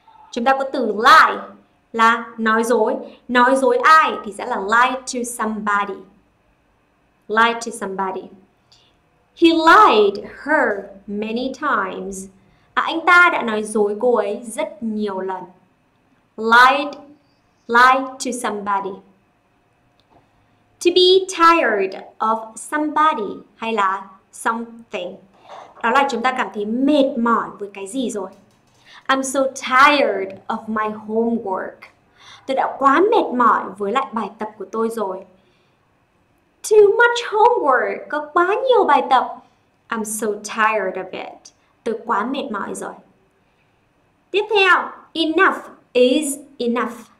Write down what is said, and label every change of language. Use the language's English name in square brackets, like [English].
[Vietnamese] Chúng ta có từ lie là nói dối. Nói dối ai thì sẽ là [English] lie to somebody. Lie to somebody. He lied her many times. [Vietnamese] À, anh ta đã nói dối cô ấy rất nhiều lần. [English] Lied to somebody. To be tired of somebody [Vietnamese] hay là [English] something. [Vietnamese] Đó là chúng ta cảm thấy mệt mỏi với cái gì rồi. [English] I'm so tired of my homework. [Vietnamese] Tôi đã quá mệt mỏi với lại bài tập của tôi rồi. [English] Too much homework, [Vietnamese] có quá nhiều bài tập. [English] I'm so tired of it. [Vietnamese] Tôi quá mệt mỏi rồi. Tiếp theo, [English] enough is enough.